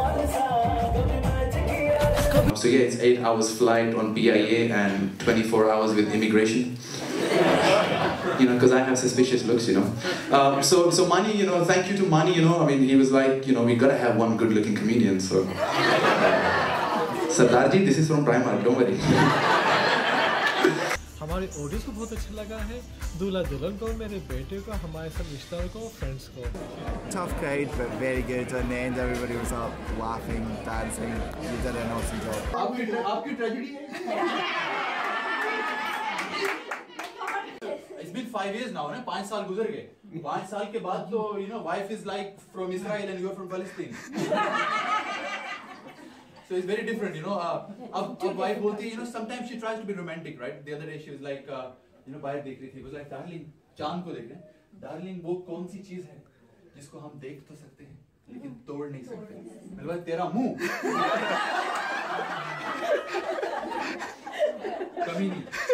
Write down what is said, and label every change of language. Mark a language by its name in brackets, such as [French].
[English] So yeah, it's 8 hours flight on BIA and 24 hours with immigration. You know, because I have suspicious looks, you know. So Mani, you know, thank you to Mani, you know. I mean, he was like, you know, we gotta have one good looking comedian, so. Sardarji, this is from Primark, don't worry. [Hindi] हमारे audience को बहुत अच्छा लगा है दूल्हा दुल्हन को मेरे बेटे को हमारे सब रिश्तेदारों को फ्रेंड्स को [English] tough crowd but very good and the end everybody was up laughing dancing you did an awesome job [Hindi] आपकी ट्रेजेडी है [English] it's been 5 years now [Hindi] ना 5 साल गुजर गए 5 साल के बाद तो [English] You know wife is like from Israel and you are from Palestine So it's very different, you know. Our wife [Hindi] bolti, [English] you know, sometimes she tries to be romantic, right? The other day she was like, you know, [Hindi] bahar dekh rahi thi. [English] She was like, darling, [Hindi] chand ko dekh rahe hain. Darling, वो कौन सी चीज़ है जिसको हम देख तो सकते हैं, लेकिन तोड़ नहीं सकते. मतलब तेरा मुँह. कमी नहीं.